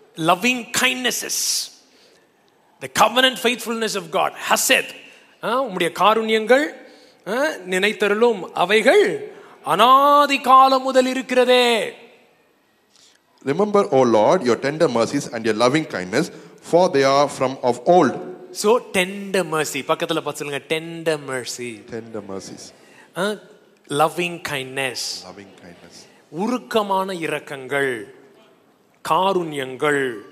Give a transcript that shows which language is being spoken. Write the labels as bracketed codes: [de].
[en] Loving kindness the covenant faithfulness of God hesed. [ta] உம்முடைய காருண்யங்கள் நினைத்தருளும் அவைகள் அநாதி காலம் முதல் இருக்கிறதே. [en] Remember, O Lord, your tender mercies and your loving kindness, for they are from of old. So, tender mercy. [ta] பக்கத்தில் பார்த்துங்க, [en] tender mercy. Tender mercies. Loving kindness. Loving kindness. [ta] உருக்கமான இரக்கங்கள், காருண்யங்கள்.